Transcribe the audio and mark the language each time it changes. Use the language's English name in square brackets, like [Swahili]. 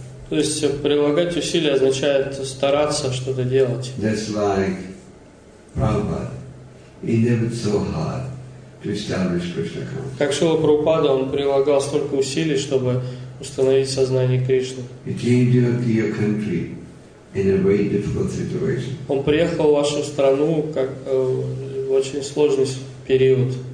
[Russian] То есть прилагать усилия означает стараться что-то делать. [English] That's like Prabhupada. He endeavored so hard to establish Krishna consciousness. [Russian] Как Шрила Прабхупада, он прилагал столько усилий, чтобы установить сознание Кришны. [English] He came to your country in a very difficult situation. [Russian] Он приехал в вашу страну как в очень сложный период.